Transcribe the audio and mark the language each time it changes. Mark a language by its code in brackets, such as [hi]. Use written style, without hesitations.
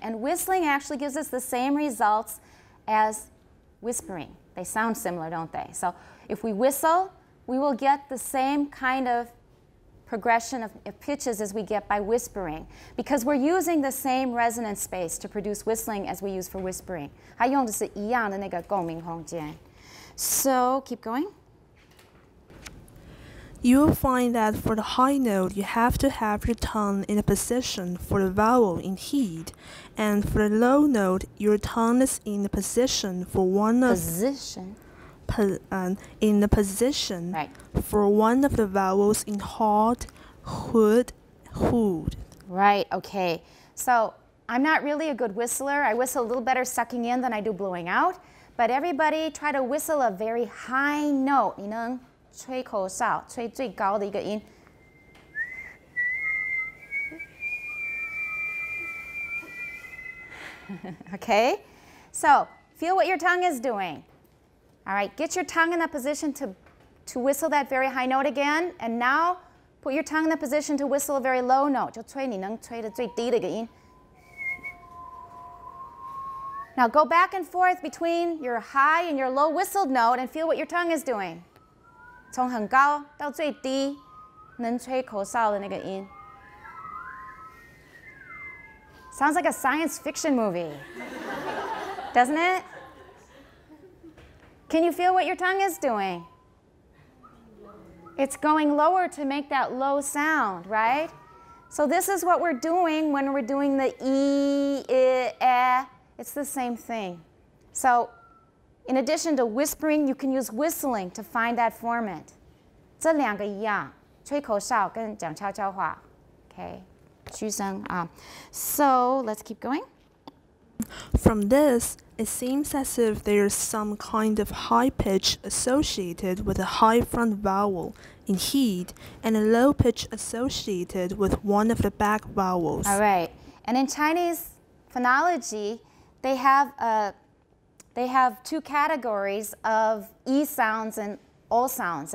[en] And whistling actually gives us the same results as whispering. They sound similar, don't they? So if we whistle, we will get the same kind of progression of pitches as we get by whispering, because we're using the same resonance space to produce whistling as we use for whispering. [zh] 它用的是一样的那个共鸣空间。 [en] So, keep going. You will find that for the high note, you have to have your tongue in a position for the vowel in heat, and for the low note, your tongue is in a position for one of... Position. In the position、 right. for one of the vowels in hot, hood, hood. Right, okay. So I'm not really a good whistler. I whistle a little better sucking in than I do blowing out. But everybody try to whistle a very high note. [zh] 你能吹口哨，吹最高的一个音。 [en] Okay, so feel what your tongue is doing. All right, get your tongue in that position to whistle that very high note again. And now, put your tongue in that position to whistle a very low note. [zh] 就吹你能吹的最低的一个音。 [en] Now go back and forth between your high and your low whistled note and feel what your tongue is doing. [zh] 从很高到最低能吹口哨的那个音。 [en] Sounds like a science fiction movie, doesn't it? Can you feel what your tongue is doing? It's going lower to make that low sound, right? So this is what we're doing when we're doing the E, I, E. It's the same thing. So in addition to whispering, you can use whistling to find that formant. [zh] 这两个一样，吹口哨跟讲悄悄话。 [en] Okay, [zh] 虚声啊。 [en] So let's keep going. From this, it seems as if there is some kind of high pitch associated with a high front vowel in heat and a low pitch associated with one of the back vowels. All right. And in Chinese phonology, they have two categories of E sounds and O sounds.